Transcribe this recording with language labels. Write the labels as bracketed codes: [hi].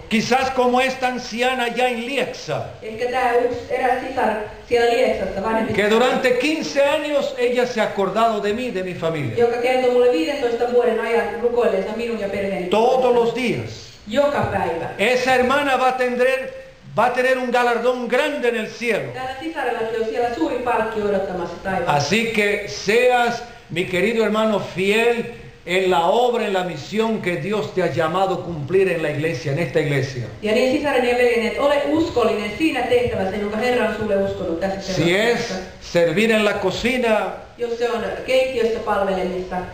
[es] Quizás como esta anciana ya en Lieksa. [fi] Ehkä tämä erä sisar siellä Lieksassa, vanhempi. [es] Que durante 15 años ella se ha acordado de mí, de mi familia. [fi] Joka kertoo mulle 15 vuoden ajan rukoilleensa minun ja perheeni. [es] Todos los días. [fi] Joka päivä. [es] Esa hermana va a tener un galardón grande en el cielo. [fi] Täällä sisarellakin on siellä suuri palkki odottamassa taivaassa. [es] Así que seas, mi querido hermano, fiel en la obra, en la misión que Dios te ha llamado a cumplir en la iglesia, en esta iglesia. [fi] Ja niin, sisareni ja veljeni, et ole uskollinen siinä tehtävässä, jonka Herra on sulle uskonut tässä tehtävässä. [es] Si es servir en la cocina, [fi] jos se on keittiössä palvelemista,